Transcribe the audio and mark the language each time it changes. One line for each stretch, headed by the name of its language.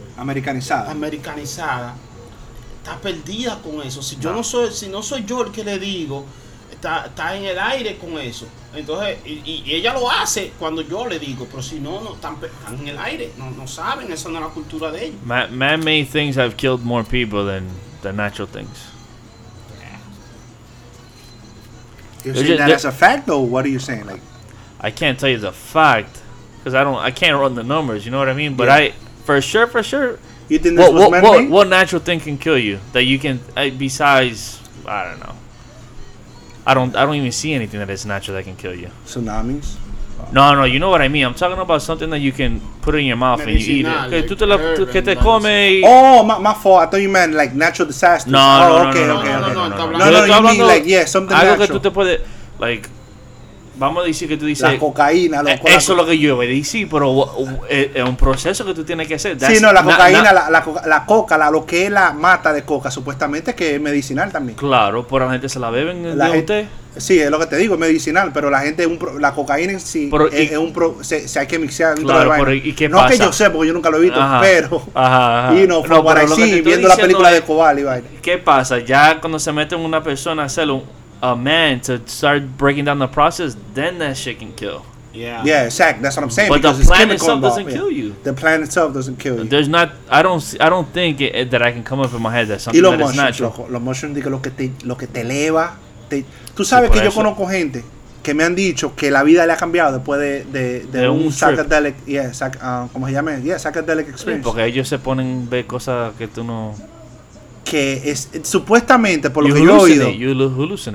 Spanish: Americanizada. Está perdida con eso. Si no soy yo el que le digo, está en el aire con eso. Entonces, y ella lo hace cuando yo le digo, pero si no están en el aire. No saben, esa no es la cultura de ellos.
English: Man-made things have killed more people than the natural things. You're saying that as a fact, though? What are you saying? I can't tell you the fact, because I can't run the numbers, you know what I mean? But yeah. For sure. You think this was man-made? What natural thing can kill you that you can, besides, I don't know. I don't even see anything that is natural that can kill you. Tsunamis? No, you know what I mean. I'm talking about something that you can put in your mouth and you eat it. Oh, my fault. I thought you meant like natural disasters. No, okay. You mean like, yeah, something natural.
Spanish: Algo que tú te puedes, like, vamos a decir que tú dices... La cocaína. Eso es lo que yo voy a decir, pero es un proceso que tú tienes que hacer. That's sí, no, la cocaína, la coca, lo que es la mata de coca, supuestamente que es medicinal también. Claro, pero la gente se la bebe en el té. Sí, es lo que te digo, es medicinal, pero la gente, la cocaína en sí, pero, se hay que mixear. Claro, pero ¿y qué pasa? No que yo sé, porque yo nunca lo he visto, ajá. Y no, pero no, para sí, viendo la película de Cobal y vaina. ¿Qué pasa? Ya cuando se mete en una persona a hacerlo...
English: A man to start breaking down the process, then that shit can kill. Yeah, exactly. That's what I'm saying. But the plan itself doesn't kill you. The plan itself doesn't kill you. There's not. I don't think that I can come up in my head that something that mushrooms, is natural.
Spanish: Los mushrooms, digo, lo que te eleva. Tú sabes que yo conozco gente que me han dicho que la vida le ha cambiado después de un
English: psychedelic.
Spanish: ¿Cómo se llama?
English: Yeah, psychedelic experience.
Spanish: Sí, porque ellos se ponen a ver cosas que tú no. Que es supuestamente por lo
English: you
Spanish: que yo he oído,